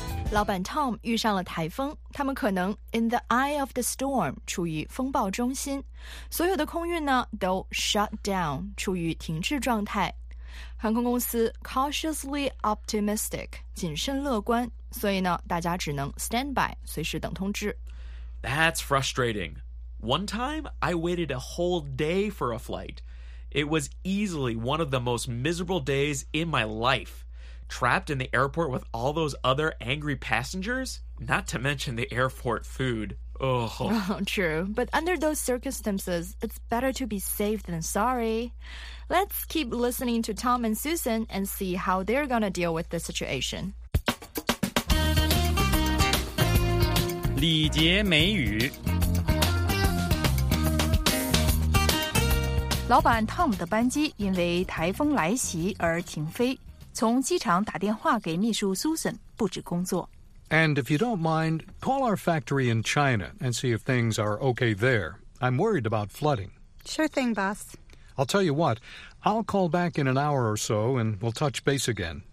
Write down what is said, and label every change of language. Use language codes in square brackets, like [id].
[zh] 老板 Tom 遇上了台风，他们可能 [en] in the eye of the storm， [zh] 处于风暴中心，所有的空运呢都 shut down， 处于停滞状态。航空公司 cautiously optimistic， 谨慎乐观，所以呢大家只能 stand by， 随时等通知。 [en] That's frustrating. One time I waited a whole day for a flight. It was easily one of the most miserable days in my life. Trapped in the airport with all those other angry passengers? Not to mention the airport food. Ugh. Oh, true. But under those circumstances, it's better to be safe than sorry. Let's keep listening to Tom and Susan and see how they're gonna deal with the situation. [zh] 礼节美语老板 Tom 的班机因为台风来袭而停飞。从机场打电话给秘书 Susan 布置工作。 [en] And if you don't mind, call our factory in China and see if things are okay there. I'm worried about flooding. Sure thing, boss. I'll tell you what, I'll call back in an hour or so and we'll touch base again.